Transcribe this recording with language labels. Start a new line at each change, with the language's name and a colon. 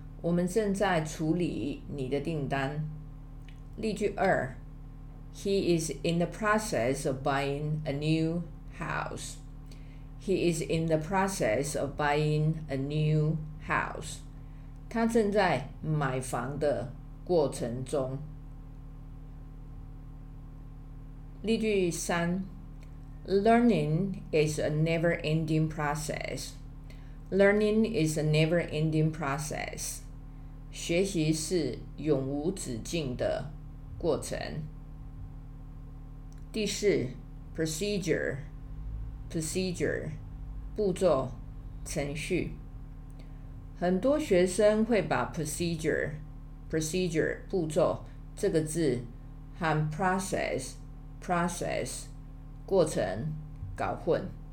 Chinese: 我们正在处理你的订单。例句二，
English: He is in the process of buying a new house.
Chinese: 他正在买房的过程中。例句三，
English: Learning is a never-ending process. Learning is a never-ending process.
Chinese: 学习是永无止境的过程。第四 ,procedure, 步骤程序。很多学生会把 procedure, 步骤这个字和 process, 过程搞混。